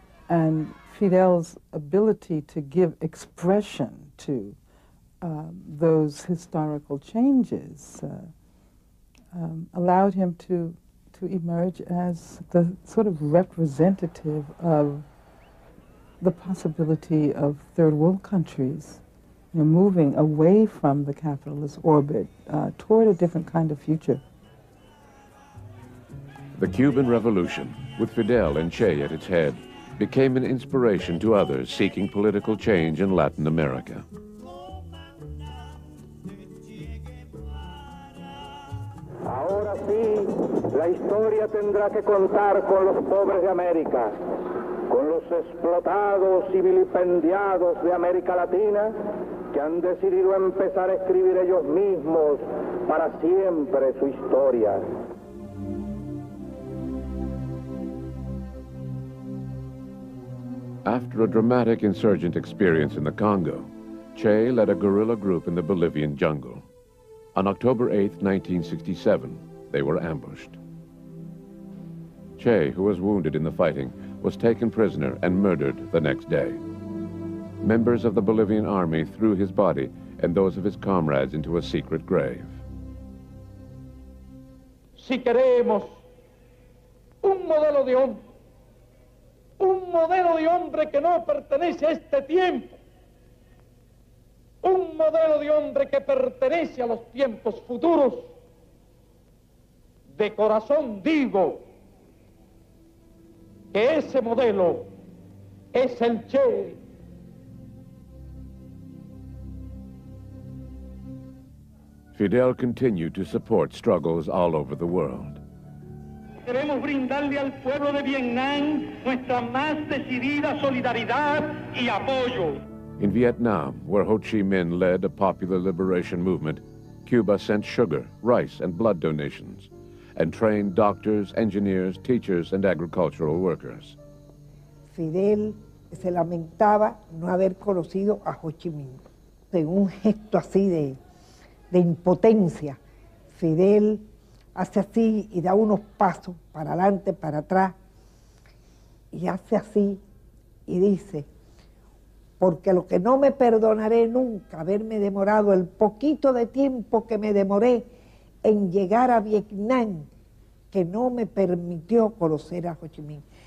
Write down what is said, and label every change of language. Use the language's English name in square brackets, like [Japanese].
[English] And Fidel's ability to give expression to those historical changes allowed him to emerge as the sort of representative of the possibility of third world countries, you know, moving away from the capitalist orbit toward a different kind of future. The Cuban Revolution, with Fidel and Che at its head, became an inspiration to others seeking political change in Latin America. [Spanish] Ahora sí, la historia tendrá que contar con los pobres de América, con los explotados y vilipendiados de América Latina, que han decidido empezar a escribir ellos mismos para siempre su historia. [English] After a dramatic insurgent experience in the Congo, Che led a guerrilla group in the Bolivian jungle. On October 8, 1967, they were ambushed. Che, who was wounded in the fighting, was taken prisoner and murdered the next day. Members of the Bolivian army threw his body and those of his comrades into a secret grave. [Spanish] Si queremos un modelo de hombre, un modelo de hombre que no pertenece a este tiempo, un modelo de hombre que pertenece a los tiempos futuros, de corazón digo que ese modelo es el Che. [English] Fidel continued to support struggles all over the world. [Spanish] Queremos brindarle al pueblo de Vietnam nuestra más decidida solidaridad y apoyo. [English] In Vietnam, where Ho Chi Minh led a popular liberation movement, Cuba sent sugar, rice, and blood donations, and trained doctors, engineers, teachers, and agricultural workers. [Spanish] Fidel se lamentaba no haber conocido a Ho Chi Minh. De un gesto así de impotencia, Fidel hace así y da unos pasos para adelante, para atrás, y hace así y dice, porque lo que no me perdonaré nunca, haberme demorado el poquito de tiempo que me demoré en llegar a Vietnam, que no me permitió conocer a Ho Chi Minh.